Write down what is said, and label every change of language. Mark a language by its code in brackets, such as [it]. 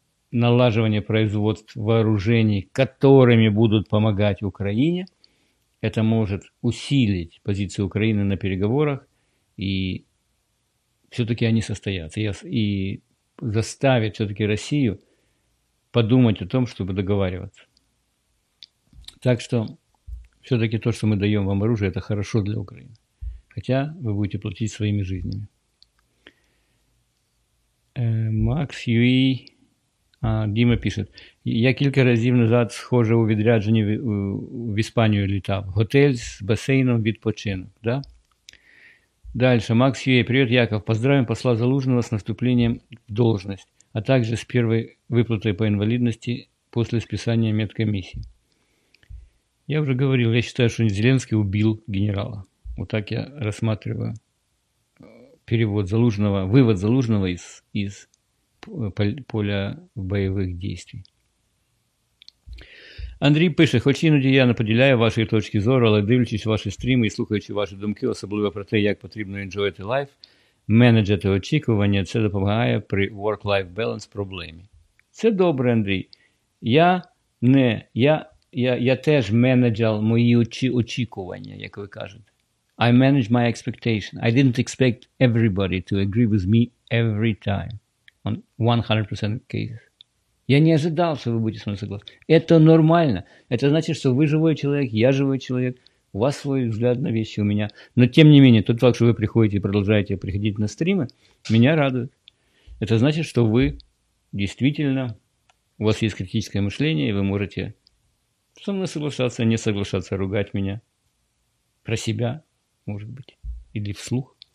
[ru] Налаживание производств вооружений, которыми будут помогать Украине, это может усилить позицию Украины на переговорах, и все-таки они состоятся, и заставят все-таки Россию подумать о том, чтобы договариваться. Так что все-таки то, что мы даем вам оружие, это хорошо для Украины, хотя вы будете платить своими жизнями. Макс Юи... Дима пишет, [uk] я кілька разів назад, схоже, у відрядженні в Іспанію літав. Готель з басейном відпочинок, да? [ru] Дальше, Макс Юей, привет, Яков. Поздравим посла Залужного с наступлением в должность, а также с первой выплатой по инвалидности после списания медкомиссии. Я уже говорил, я считаю, что Зеленский убил генерала. Вот так я рассматриваю перевод Залужного, вывод Залужного из поля бойових дій. [uk] Андрій пише, хоч іноді я не поділяю ваші точки зору, але дивлячись ваші стріми і слухаючи ваші думки, особливо про те, як потрібно enjoyти life, менеджити очікування, це допомагає при work-life balance проблемі. Це добре, Андрій. Я не, я теж менеджав мої очікування, як ви кажете. [en] I manage my expectation. I didn't expect everybody to agree with me every time. 100% cases. [ru] Я не ожидал, что вы будете со мной согласны. Это нормально. Это значит, что вы живой человек, я живой человек, у вас свой взгляд на вещи, у меня. Но тем не менее, тот факт, что вы приходите и продолжаете приходить на стримы, меня радует. Это значит, что вы действительно, у вас есть критическое мышление, и вы можете со мной соглашаться, не соглашаться, ругать меня про себя, может быть, или вслух.